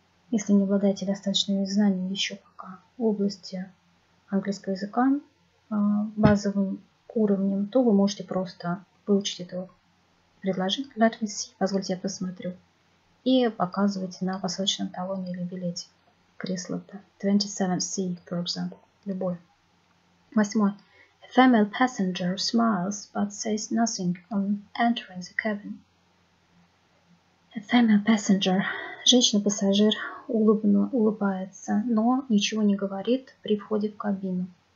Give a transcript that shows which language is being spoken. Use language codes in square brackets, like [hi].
[ru] Если не обладаете достаточными знаниями еще пока в области английского языка, базовым уровнем, то вы можете просто выучить это предложение. [en] Let me see, [ru] позвольте я посмотрю. И показывайте на посадочном талоне или билете кресла-то. 27C, [en] for example. [ru] Любой. Восьмой. [en] A female passenger smiles, but says nothing on entering the cabin. A female passenger. [ru] Женщина-пассажир улыбается, но ничего не говорит при входе в кабину.